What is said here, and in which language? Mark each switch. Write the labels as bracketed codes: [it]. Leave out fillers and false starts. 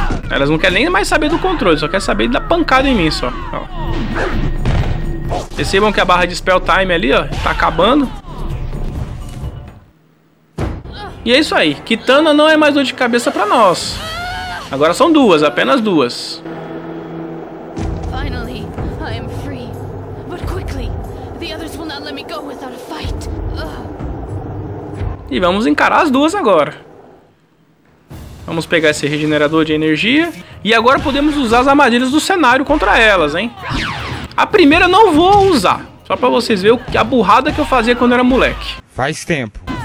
[pt] Elas não querem nem mais saber do controle, só querem saber da pancada em mim, só. Ó. Percebam que a barra de Spell Time ali, ó, tá acabando. E é isso aí, Kitana não é mais dor de cabeça pra nós. Agora são duas, apenas duas. [en] Finally, I am free. But quickly, the others will not let me go without a fight. [pt] E vamos encarar as duas agora. Vamos pegar esse regenerador de energia. E agora podemos usar as armadilhas do cenário contra elas, hein? A primeira não vou usar. Só pra vocês verem a burrada que eu fazia quando era moleque. Faz tempo.